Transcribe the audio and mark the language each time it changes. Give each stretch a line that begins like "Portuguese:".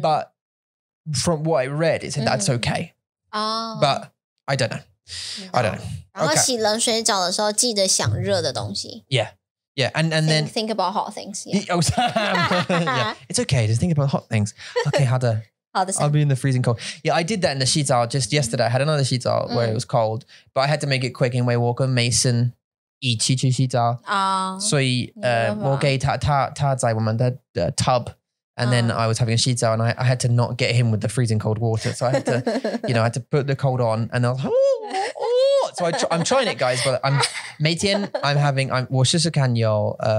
English: But from what I read It said that's okay But I don't know I don't know
Chinese: 然后洗冷水澡的时候 记得想热的东西
English: Yeah Yeah and then Think about hot things yeah. Oh Sam yeah. It's okay Just think about hot things Okay
Chinese: 好的好的,
English: I'll be in the freezing cold Yeah I did that in the 洗澡 Just yesterday I had another 洗澡 Where it was cold But I had to make it quick Anyway
Chinese: 我跟 Mason 一起去洗澡 所以
English: 我给他在我们的 tub And then I was having a 洗澡 And I had to not get him with the freezing cold water So I had to You know I had to put the cold on And I was So I'm trying it guys But I'm
Chinese: 每天
English: I'm having
Chinese: 我试试看有